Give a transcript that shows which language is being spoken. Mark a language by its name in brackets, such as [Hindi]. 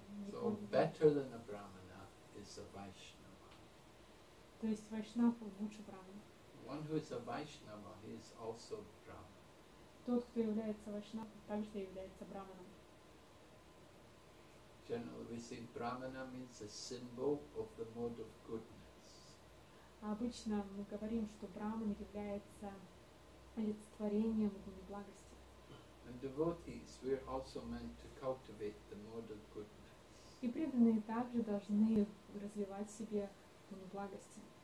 [English] So better than a brahmana is a Vaishnava. [Russian] То есть вайшнава лучше брахмана. [English] One who is a Vaishnava, he is also Brahman. [Russian] Тот, кто является вайшнавом, также является брахманом. [English] Generally, we say brahmana means a symbol of the mode of goodness. [Russian] Обычно мы говорим, что брахман является олицетворением гуны благости. [English] And devotees, we are also meant to cultivate the mode of goodness. [Russian] И преданные также должны развивать в себе гуну благости.